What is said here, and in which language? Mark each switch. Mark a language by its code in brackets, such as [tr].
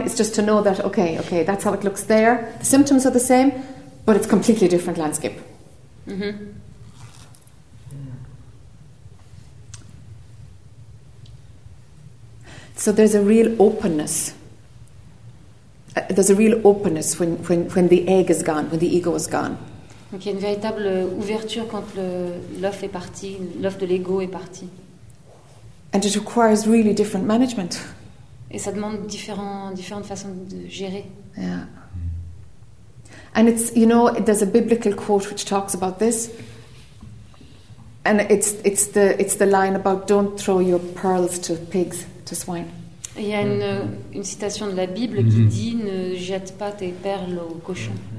[en] It's just to know that, okay, that's how it looks there. The symptoms are the same, but it's completely different landscape. So there's a real openness. There's a real openness when the egg is gone, when the ego is gone. [fr] Donc il y a une véritable ouverture quand l'œuf est parti, l'œuf de l'ego est parti. [en] And it requires really different management. [fr] Et ça demande différentes façons de gérer. [en] Yeah. And it's, you know, there's a biblical quote which talks about this. And it's the line about don't throw your pearls to pigs, to swine. [fr] Il y a une citation de la Bible qui dit ne jette pas tes perles aux cochons.